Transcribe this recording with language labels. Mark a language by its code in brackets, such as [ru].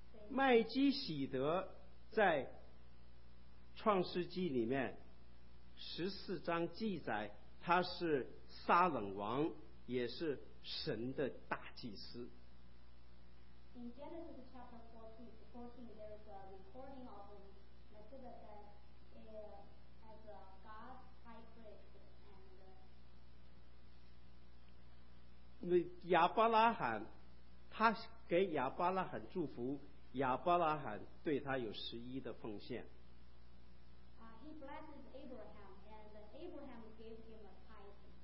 [zh] 麦基洗德在创世纪里面14章记载，他是撒冷王，也是神的大祭司。 [en] In Genesis chapter 14, there is a recording of Melchizedek as a God high priest. And [zh] 亚伯拉罕，他给亚伯拉罕祝福，亚伯拉罕对他有11%的奉献。 [en] He blesses Abraham, and Abraham gave him a tithe.